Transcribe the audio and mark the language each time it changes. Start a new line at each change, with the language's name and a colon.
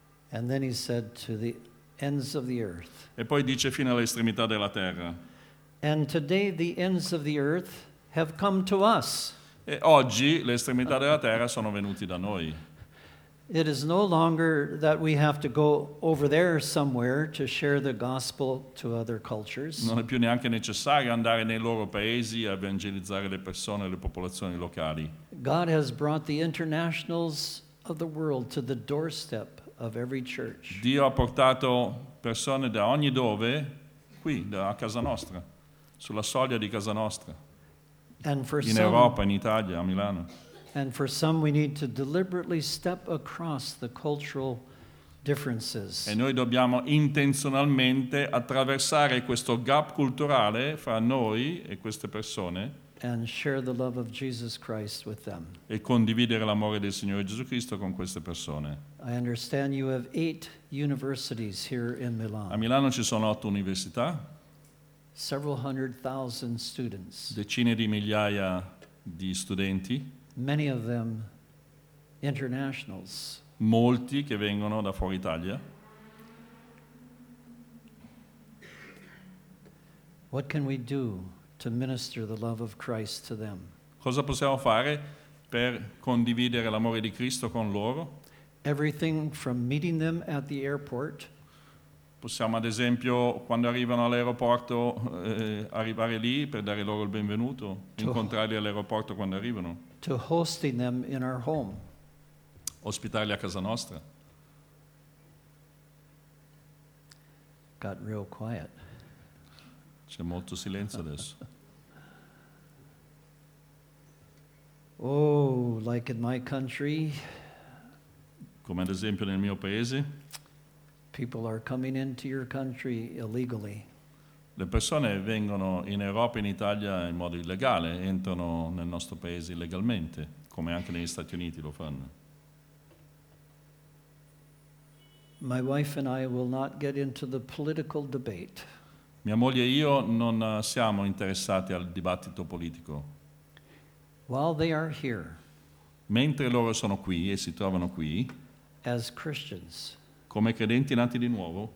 English: And then he said to the ends of the earth.
Italian: E poi dice fino alle estremità della terra.
English: And today the ends of the earth have come to us.
Italian: E oggi le estremità della terra sono venuti da noi.
English: It is no longer that we have to go over there somewhere to share the gospel to other cultures.
Italian: Non è più neanche necessario andare nei loro paesi a evangelizzare le persone e le popolazioni locali.
English: God has brought the internationals of the world to the doorstep of every church.
Italian: Dio ha portato persone da ogni dove qui, a casa nostra, sulla soglia di casa nostra.
English: And for
Italian: in Europa, in Italia, a Milano.
English: And for some we need to deliberately step across the cultural differences.
Italian: E noi dobbiamo intenzionalmente attraversare questo gap culturale fra noi e queste persone.
English: And share the love of Jesus Christ with them.
Italian: E condividere l'amore del Signore Gesù Cristo con queste persone.
English: I understand you have 8 universities here in Milan.
Italian: A Milano ci sono 8 università.
English: Several hundred thousand students.
Italian: Decine di migliaia di studenti.
English: Many of them internationals.
Italian: Molti che vengono da fuori Italia.
English: What can we do to minister the love of Christ to them?
Italian: Cosa possiamo fare per condividere l'amore di Cristo con loro?
English: Everything from meeting them at the airport.
Italian: Possiamo, ad esempio, quando arrivano all'aeroporto, arrivare lì per dare loro il benvenuto, incontrarli all'aeroporto quando arrivano.
English: To hosting them in our home.
Italian: ospitarli a casa nostra.
English: Got real quiet.
Italian: C'è molto silenzio adesso.
English: Oh, like in my country.
Italian: Come ad esempio nel mio paese.
English: People are coming into your country illegally.
Italian: Le persone vengono in Europa, in Italia in modo illegale, entrano nel nostro paese illegalmente, come anche negli Stati Uniti lo fanno.
English: My wife and I will not get into the political debate.
Italian: Mia moglie e io non siamo interessati al dibattito politico.
English: While they are here,
Italian: mentre loro sono qui e si trovano qui,
English: as Christians,
Italian: come credenti nati di nuovo,